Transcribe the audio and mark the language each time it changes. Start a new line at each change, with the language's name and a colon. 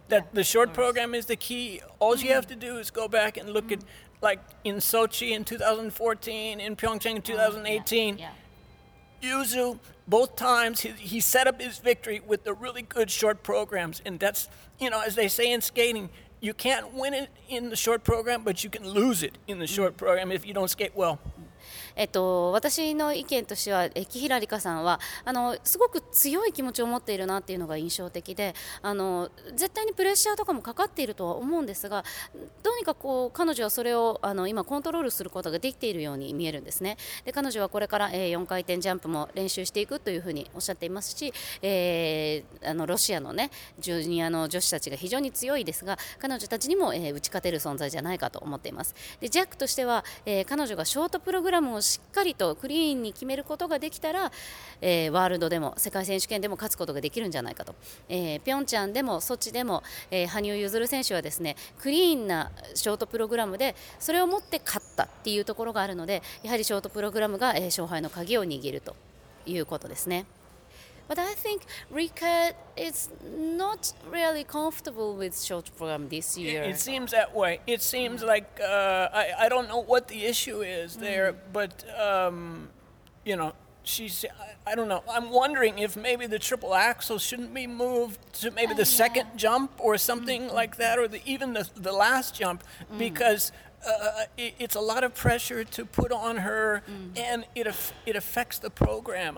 English: That the short program is the key. All you have to do is go back and look at, like, in Sochi in 2014, in Pyeongchang in 2018. Yeah. Yuzu, both times, he set up his victory with the really good short programs. And that's, you know, as they say in skating... You can't win it in the short program, but you can lose it in the short program if you don't skate well.
Japanese: 私の意見としては、木平理香さんはあのすごく強い気持ちを持っているなっていうのが印象的で、あの絶対にプレッシャーとかもかかっているとは思うんですが、どうにかこう彼女はそれをあの今コントロールすることができているように見えるんですね。で彼女はこれから、4回転ジャンプも練習していくというふうにおっしゃっていますし、あのロシアのねジュニアの女子たちが非常に強いですが、彼女たちにも、打ち勝てる存在じゃないかと思っています。でジャックとしては、彼女がショートプログラムをしっかりとクリーンに決めることができたら、ワールドでも世界選手権でも勝つことができるんじゃないかと、ピョンチャンでもソチでも、羽生結弦選手はですねクリーンなショートプログラムでそれを持って勝ったっていうところがあるので、やはりショートプログラムが、勝敗の鍵を握るということですね。
English: But I think Rika is not really comfortable with short program this year. It seems that way. It seems like I don't know what the issue is there, but you know, she's I don't know. I'm wondering if maybe the triple axel shouldn't be moved to maybe the second jump or something like that, or even the last jump, because it's a lot of pressure to put on her, and it affects the program.